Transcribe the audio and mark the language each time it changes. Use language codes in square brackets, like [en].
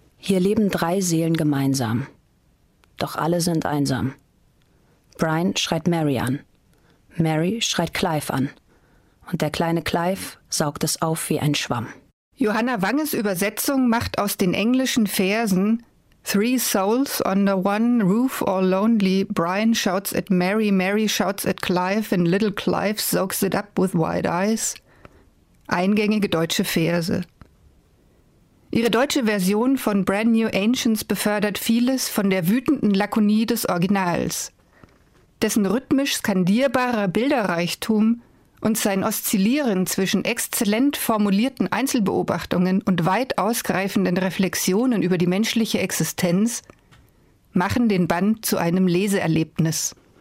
[de] Hier leben drei Seelen gemeinsam. Doch alle sind einsam. Brian schreit Mary an. Mary schreit Clive an. Und der kleine Clive saugt es auf wie ein Schwamm. Johanna Wanges Übersetzung macht aus den englischen Versen [en] Three souls under one roof all lonely. Brian shouts at Mary, Mary shouts at Clive, and little Clive soaks it up with wide eyes. [de] Eingängige deutsche Verse. Ihre deutsche Version von Brand New Ancients befördert vieles von der wütenden Lakonie des Originals. Dessen rhythmisch skandierbarer Bilderreichtum und sein Oszillieren zwischen exzellent formulierten Einzelbeobachtungen und weit ausgreifenden Reflexionen über die menschliche Existenz machen den Band zu einem Leseerlebnis.